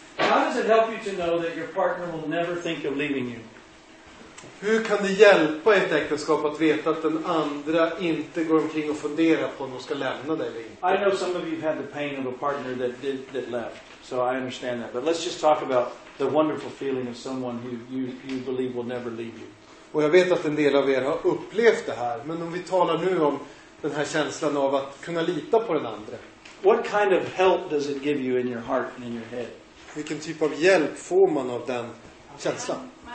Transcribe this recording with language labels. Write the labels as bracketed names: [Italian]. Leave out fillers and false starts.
[English] How does it help you to know that your partner will never think of leaving you? [Swedish] Hur kan det hjälpa ett äktenskap att veta att den andra inte går omkring och funderar på om de ska lämna dig eller inte? [English] I know some of you had the pain of a partner that left. So I understand that. But let's just talk about the wonderful feeling of someone who you believe will never leave you. [Swedish] Och jag vet att en del av er har upplevt det här, men om vi talar nu om den här känslan av att kunna lita på den andra. [English] What kind of help does it give you in your heart and in your head? [Swedish] Vilken typ av hjälp får man av den känslan?